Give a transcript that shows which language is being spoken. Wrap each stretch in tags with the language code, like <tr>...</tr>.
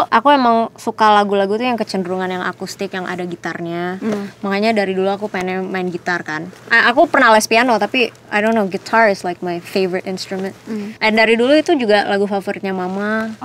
<id>Aku emang suka lagu-lagu tuh yang kecenderungan yang akustik, yang ada gitarnya. Makanya dari dulu aku pengen main gitar kan. Aku pernah les piano, tapi</id> <en>I don't know, guitar is like my favorite instrument.</en> <id>And dari dulu itu juga lagu favoritnya mama.</id>